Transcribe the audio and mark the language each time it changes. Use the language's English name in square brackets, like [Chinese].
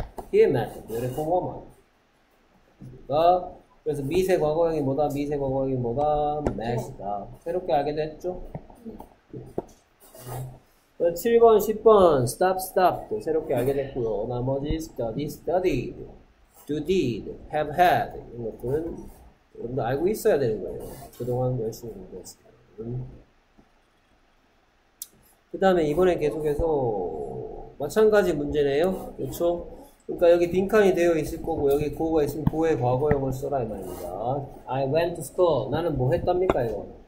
[English] 뒤에 met the beautiful woman. [Korean] 그러니까 그래서 미세 과거형이 뭐다? 미세 과거형이 뭐다? met이다. 새롭게 알게 됐죠? 7번, 10번, stop, stop. 새롭게 알게 됐고요. 나머지 study, studied, do, did, have, had. 이런 것들은 여러분도 알고 있어야 되는 거예요. 그동안 열심히 공부했습니다. 그 다음에 이번에 계속해서 마찬가지 문제네요. 그렇죠? 그러니까 여기 빈칸이 되어 있을 거고 여기 고가 있으면 고의 과거형을 써라 이 말입니다. [English] I went to school. [Korean] 나는 뭐 했답니까 이거?